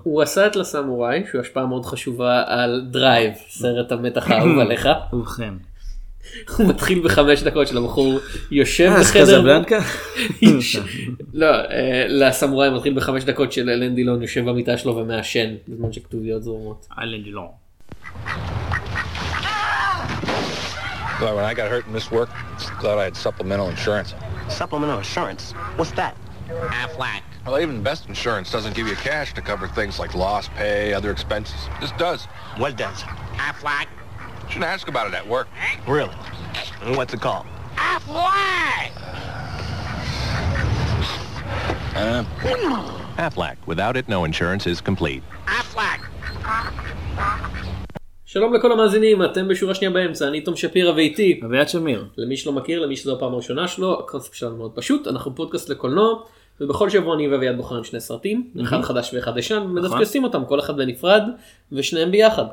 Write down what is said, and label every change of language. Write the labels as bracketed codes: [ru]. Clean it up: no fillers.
[he] הוא עשה את לסמוראי, שהוא השפעה מאוד חשובה על דרייב, סרט המתח האהוב עליך. ובכן. הוא מתחיל בחמש דקות של הבחור יושב בחדר. קזבלנקה? לא, לסמוראי מתחיל בחמש דקות של אלן דילון יושב במיטה שלו ומעשן, בזמן שכתוביות זורמות. אלן דילון. [en] Well, when I got hurt in this work, I thought I had supplemental insurance. Supplemental insurance? What's that? Aflac. Well, even best insurance doesn't give you cash to cover things like lost pay, other expenses. This does. What does? Aflac. Shouldn't ask about it at work. Really? And what's it called? Aflac! Aflac. Without it, no insurance is complete. Aflac. [he] שלום לכל המאזינים, אתם בשורה שנייה באמצע, אני תום שפירא ואיתי. אביעד שמיר. למי שלא מכיר, למי שזו הפעם הראשונה שלו, הקונספט שלנו מאוד פשוט, אנחנו פודקאסט לקולנוע, ובכל שבוע אני ואביעד בוחרים שני סרטים, אחד חדש ואחד ישן, ומדפקסים אותם, כל אחד בנפרד, ושניהם ביחד.